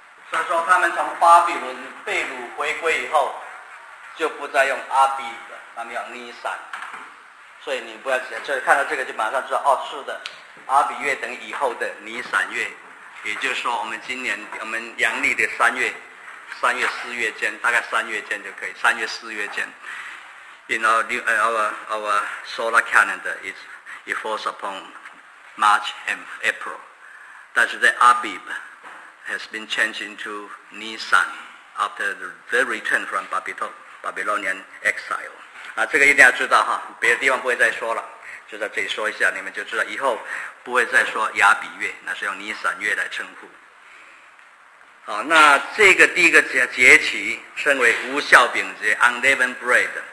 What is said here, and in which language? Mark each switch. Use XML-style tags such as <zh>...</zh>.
<zh>所以说，他们从巴比伦被掳回归以后，就不再用阿比了，他们要尼散。所以你不要写，就是看到这个就马上知道，哦，是的，阿比月等以后的尼散月，也就是说，我们今年我们阳历的三月。三月四月间，大概三月间就可以。三月四月间</zh> <en>，in our solar calendar it falls upon March and April，</en> <zh>但是在</zh> <en>Abib has been changed into Nisan after the return from Babylonian exile。</en> <zh>啊，这个一定要知道哈，别的地方不会再说了，就在这里说一下，你们就知道以后不会再说亚比月，那是用尼散月来称呼。好，那这个第一个节期称为无酵饼节 （unleavened bread）。</zh>